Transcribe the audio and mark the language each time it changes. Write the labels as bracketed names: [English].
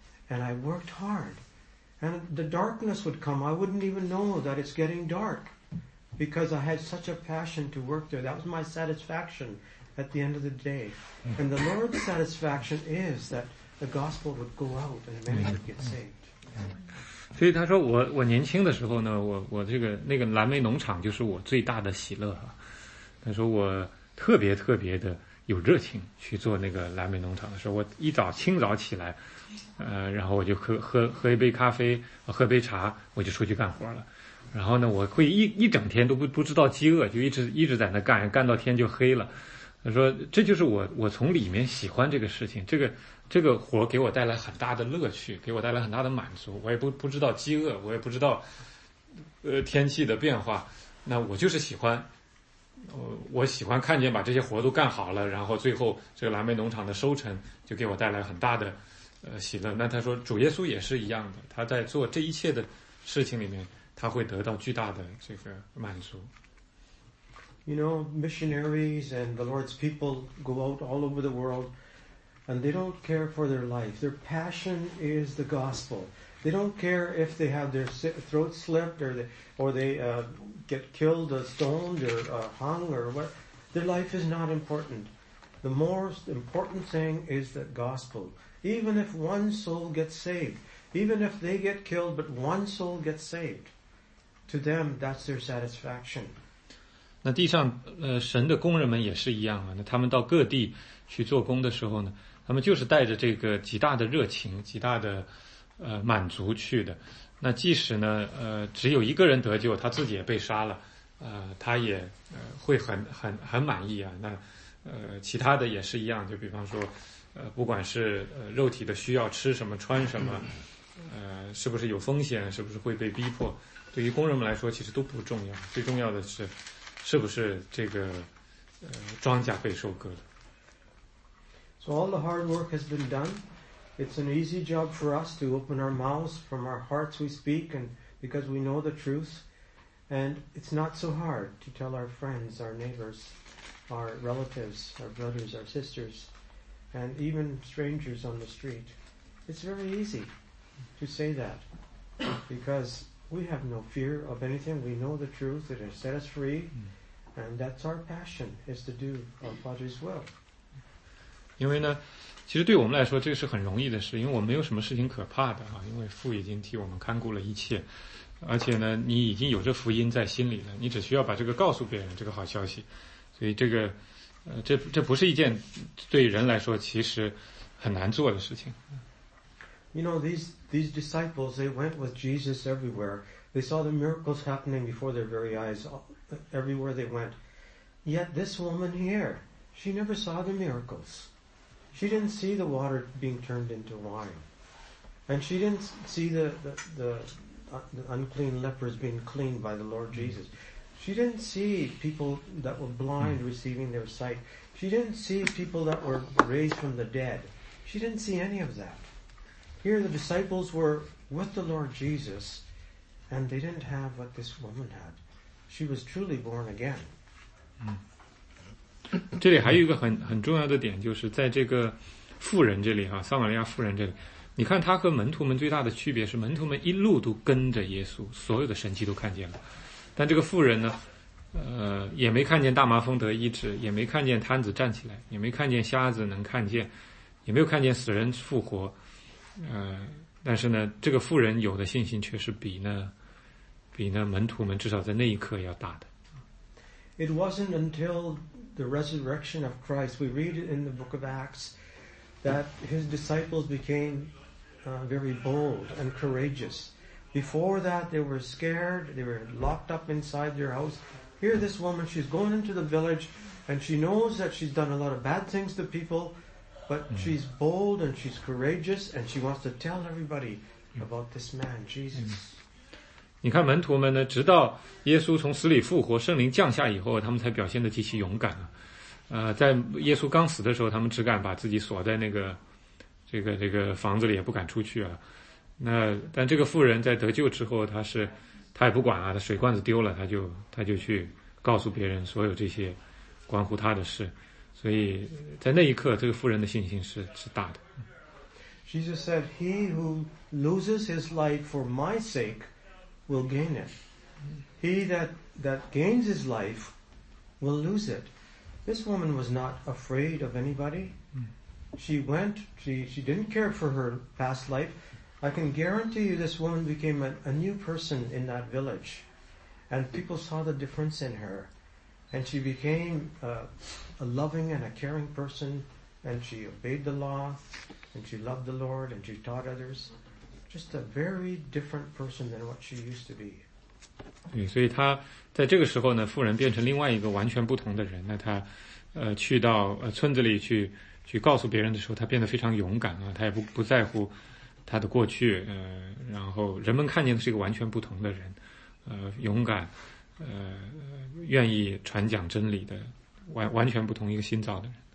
[English] And I worked hard. And the darkness would come. I wouldn't even know that it's getting dark because I had such a passion to work there. That was my satisfaction at the end of the day. And the Lord's satisfaction is that the gospel would go out and many would get saved. [Chinese] 所以他说我年轻的时候呢，我这个那个蓝莓农场就是我最大的喜乐啊。他说我特别特别的有热情去做那个蓝莓农场的时候，我一早清早起来，然后我就喝一杯咖啡，喝杯茶，我就出去干活了。然后呢，我会一整天都不知道饥饿，就一直在那干，干到天就黑了。他说这就是我从里面喜欢这个事情，这个活给我带来很大的乐趣，给我带来很大的满足。我也不知道饥饿，我也不知道天气的变化，那我就是喜欢。我喜欢看见把这些活都干好了，然后最后这个蓝莓农场的收成就给我带来很大的喜乐。那他说主耶稣也是一样的，他在做这一切的事情里面，他会得到巨大的这个满足。 [English] You know, missionaries and the Lord's people go out all over the world. And they don't care for their life. Their passion is the gospel. They don't care if they have their throat slipped or they get killed or stoned or hung or what. Their life is not important. The most important thing is the gospel. Even if one soul gets saved, even if they get killed, but one soul gets saved, to them, that's their satisfaction. [Chinese] 那地上神的工人们也是一样啊。那他们到各地去做工的时候呢，他们就是带着这个极大的热情，极大的满足去的。那即使呢只有一个人得救，他自己也被杀了，他也会很满意啊。那其他的也是一样，就比方说不管是肉体的需要，吃什么穿什么，是不是有风险，是不是会被逼迫，对于工人们来说其实都不重要，最重要的是不是这个庄稼被收割了。 [English] So all the hard work has been done. It's an easy job for us to open our mouths. From our hearts we speak, and because we know the truth. And it's not so hard to tell our friends, our neighbors, our relatives, our brothers, our sisters, and even strangers on the street. It's very easy to say that because We have no fear of anything. We know the truth. It has set us free. And that's our passion, is to do our Father's will. [Chinese] 因为呢，其实对我们来说，这是很容易的事，因为我们没有什么事情可怕的啊，因为父已经替我们看顾了一切，而且呢，你已经有这福音在心里了，你只需要把这个告诉别人，这个好消息，所以这个，这不是一件对人来说其实很难做的事情。 [English] You know, these disciples, they went with Jesus everywhere. They saw the miracles happening before their very eyes, everywhere they went. Yet this woman here, she never saw the miracles. She didn't see the water being turned into wine. And she didn't see the unclean lepers being cleaned by the Lord Jesus. She didn't see people that were blind receiving their sight. She didn't see people that were raised from the dead. She didn't see any of that. Here the disciples were with the Lord Jesus, and they didn't have what this woman had. She was truly born again. Mm. [Chinese] 这里还有一个很重要的点，就是在这个妇人这里哈、啊，撒玛利亚妇人这里，你看他和门徒们最大的区别是，门徒们一路都跟着耶稣，所有的神迹都看见了，但这个妇人呢，也没看见大麻风得医治，也没看见瘫子站起来，也没看见瞎子能看见，也没有看见死人复活，但是呢，这个妇人有的信心却是比呢门徒们至少在那一刻要大的。 [English] It wasn't until the resurrection of Christ. We read it in the book of Acts that his disciples became very bold and courageous. Before that, they were scared. They were locked up inside their house. Here, this woman, she's going into the village and she knows that she's done a lot of bad things to people, but she's bold and she's courageous and she wants to tell everybody about this man, Jesus. [Chinese] 你看门徒们呢，直到耶稣从死里复活，圣灵降下以后，他们才表现得极其勇敢啊。在耶稣刚死的时候，他们只敢把自己锁在那个这个房子里，也不敢出去啊。那但这个妇人在得救之后，他也不管啊，他水罐子丢了，他就去告诉别人所有这些关乎他的事。所以在那一刻，这个妇人的信心是大的。 [English] Jesus said, "He who loses his life for my sake." Will gain it. He that gains his life will lose it. This woman was not afraid of anybody. She went, she didn't care for her past life. I can guarantee you this woman became a new person in that village. And people saw the difference in her. And she became a loving and a caring person. And she obeyed the law. And she loved the Lord. And she taught others. Just a very different person than what she used to be. [Chinese] 对，所以他在这个时候呢，妇人变成另外一个完全不同的人。那他，去到村子里去告诉别人的时候，他变得非常勇敢啊。他也不在乎他的过去，然后人们看见的是一个完全不同的人，勇敢，愿意传讲真理的，完全不同一个新造的人。